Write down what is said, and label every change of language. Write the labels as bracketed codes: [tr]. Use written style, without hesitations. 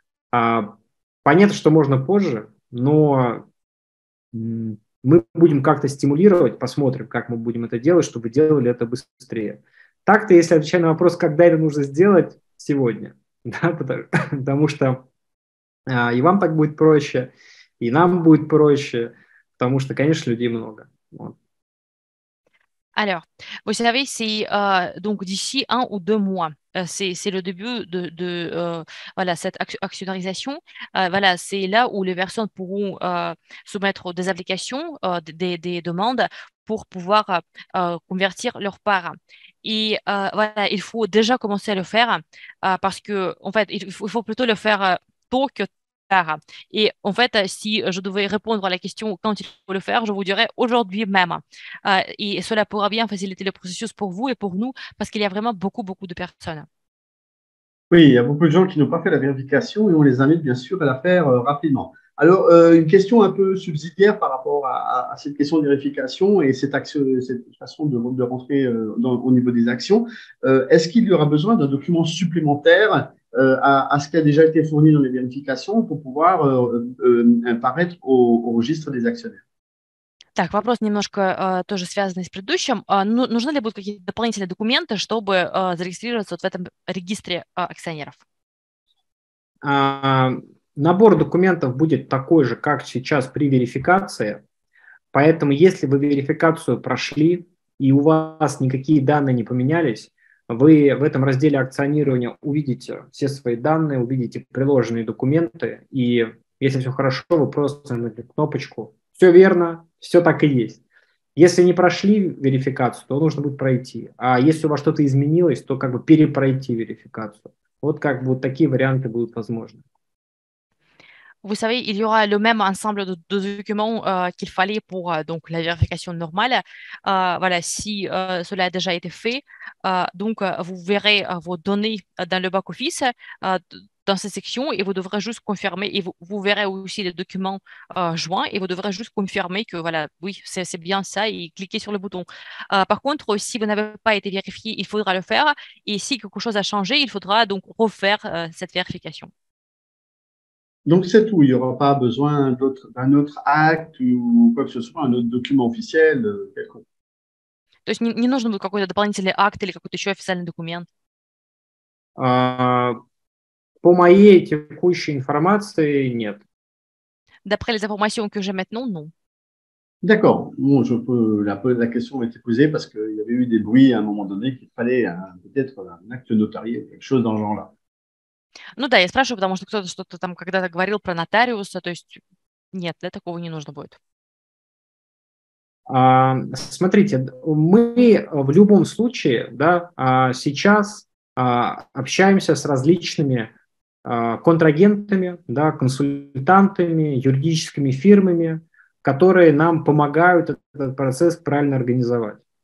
[ru] Понятно, что можно позже, но мы будем как-то стимулировать, посмотрим, как мы будем это делать, чтобы делали это быстрее. Так-то, если отвечать на вопрос, когда это нужно сделать, сегодня. Да, потому что и вам так будет проще, и нам будет проще, потому что, конечно, людей много. Вот. [fr] Alors, vous savez, c'est donc d'ici 1 ou 2 mois, c'est le début de voilà, cette actionnarisation. Voilà, c'est là où les personnes pourront soumettre des applications, des demandes pour pouvoir convertir leur part. Et voilà, il faut déjà commencer à le faire parce que en fait, il faut plutôt le faire tôt que tard. Et en fait, si je devais répondre à la question quand il faut le faire, je vous dirais aujourd'hui même. Et cela pourra bien faciliter le processus pour vous et pour nous parce qu'il y a vraiment beaucoup, beaucoup de personnes. Oui, il y a beaucoup de gens qui n'ont pas fait la vérification et on les invite bien sûr à la faire rapidement. Alors, une question un peu subsidiaire par rapport à cette question de vérification et cette façon de rentrer au niveau des actions. Est-ce qu'il y aura besoin d'un document supplémentaire à ce qui a déjà été fourni dans les vérifications pour pouvoir apparaître au registre des actionnaires? [ru] Так, вопрос немножко тоже связанный с предыдущим. Нужны ли будут какие-то дополнительные документы, чтобы зарегистрироваться вот в этом регистре акционеров? Набор документов будет такой же, как сейчас при верификации, поэтому если вы верификацию прошли и у вас никакие данные не поменялись, вы в этом разделе акционирования увидите все свои данные, увидите приложенные документы, и если все хорошо, вы просто нажмете кнопочку «Все верно, все так и есть». Если не прошли верификацию, то нужно будет пройти, а если у вас что-то изменилось, то как бы перепройти верификацию. Вот как бы вот такие варианты будут возможны. [fr] Vous savez, il y aura le même ensemble de documents qu'il fallait pour donc la vérification normale. Voilà, si cela a déjà été fait, donc vous verrez vos données dans le back office dans cette section et vous devrez juste confirmer. Et vous verrez aussi les documents joints et vous devrez juste confirmer que voilà, oui, c'est bien ça et cliquer sur le bouton. Par contre, si vous n'avez pas été vérifié, il faudra le faire. Et si quelque chose a changé, il faudra donc refaire cette vérification. Donc c'est tout, il n'y aura pas besoin d'un autre acte ou quoi que ce soit, un autre document officiel [ru] То есть не нужно будет какой-то дополнительный акт или какой-то еще официальный документ? По моей текущей информации нет. [fr] D'après les informations que j'ai maintenant, non. D'accord, bon, la question a été posée parce qu'il y avait eu des bruits à un moment donné qu'il fallait peut-être un acte notarié ou quelque chose dans ce genre-là. [ru] Ну да, я спрашиваю, потому что кто-то что-то там когда-то говорил про нотариуса, то есть нет, для такого не нужно будет. Смотрите, мы в любом случае, да, сейчас общаемся с различными контрагентами, да, консультантами, юридическими фирмами, которые нам помогают этот процесс правильно организовать.